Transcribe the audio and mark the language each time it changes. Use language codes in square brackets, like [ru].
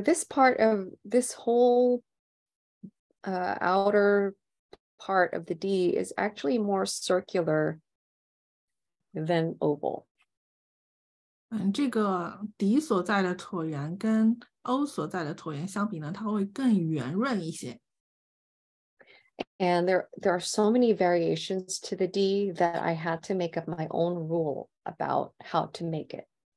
[en] this part of this whole outer part of the D is actually more circular than oval. [zh] 这个D所在的椭圆跟 O所在的椭圆相比呢，它会更圆润一些。 [en] And there are so many variations to the D that I had to make up my own rule about how to make it.